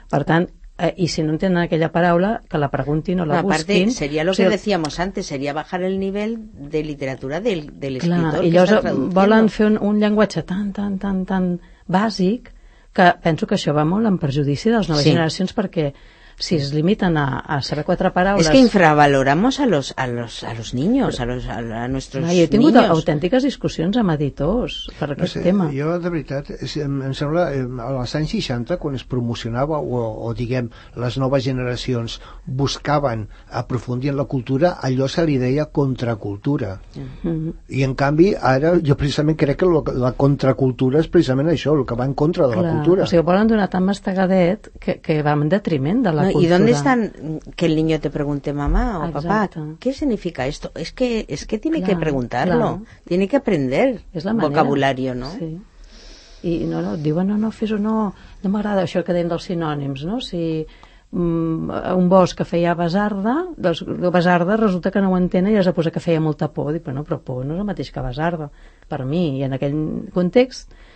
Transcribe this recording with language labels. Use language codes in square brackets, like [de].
[ca] Per tant, i si no entenen aquella paraula, que la preguntin o la busquin. A part, seria [es] lo que decíamos antes, [ca] seria bajar el nivell de literatura de l'escriptor que està traduint. I llavors volen fer un llenguatge tan bàsic que penso que això va molt en perjudici de les noves, sí, generacions, perquè si es limitan a saber quatre paraules... [es] És que infravaloramos a los niños, a nuestros niños. [ca] Jo he tingut autèntiques discussions amb editors per aquest tema. Jo, de veritat, em sembla, als anys 60, quan es promocionava, o diguem, les noves generacions buscaven aprofundir en la cultura, allò se li deia contracultura. Mm-hmm. I, en canvi, ara, jo precisament crec que la contracultura és precisament això, el que va en contra de clar, la cultura. O sigui, ho volen donar tan mastegadet que va en detriment de la... [es] ¿Y dónde están que el niño te pregunte mamá o exacto, papá? ¿Qué significa esto? Es que tiene claro, que preguntarlo, claro, tiene que aprender es la vocabulario, manera, ¿no? Sí. Y no, digo, no, [ca] fes-ho, no m'agrada això que deien dels sinònims, ¿no? Si un bosc que feia basarda, doncs basarda resulta que no ho entén i es va posar que feia molta por, dic, però no, però por no és el mateix que basarda, per mi, i en aquell context...